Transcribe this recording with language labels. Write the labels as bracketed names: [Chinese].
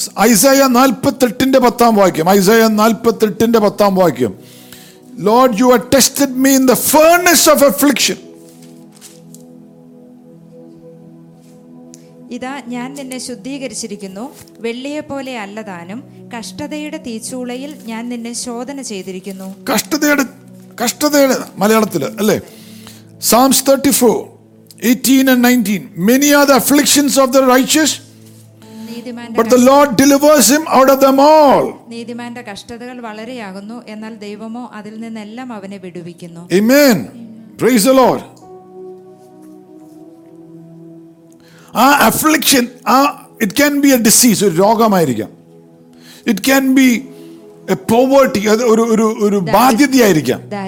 [English] Isaiah 48:10 വാക്യം, Isaiah 48:10 വാക്യം, Lord you have tested me in the furnace of affliction. [Malayalam] ഇതാ ഞാൻ നിന്നെ ശുദ്ധീകരിച്ചിരിക്കുന്നു, വെള്ളിയെ പോലെ അല്ലതാനും കഷ്ടതയുടെ തീച്ചൂളയിൽ ഞാൻ നിന്നെ ശോധന ചെയ്തിരിക്കുന്നു. കഷ്ടതയുടെ മലയാളത്തിൽ അല്ലേ. [English] Psalms 34:18-19, many are the afflictions of the righteous, but the Lord delivers him out of them all. [Malayalam] നീതിമാന്റെ കഷ്ടതകൾ വളരെയാകുന്നു, എന്നാൽ ദൈവമോ അതിൽ നിന്നെല്ലാം അവനെ വിടുവിക്കുന്നു. ആമേൻ. Praise the Lord. [English] ആ അഫ്ലിക്ഷൻ, ആ it can be a disease, [Malayalam] ഒരു രോഗമായിരിക്കാം. [English] it can be a poverty, [Malayalam] ഒരു ബാധ്യതയായിരിക്കാം,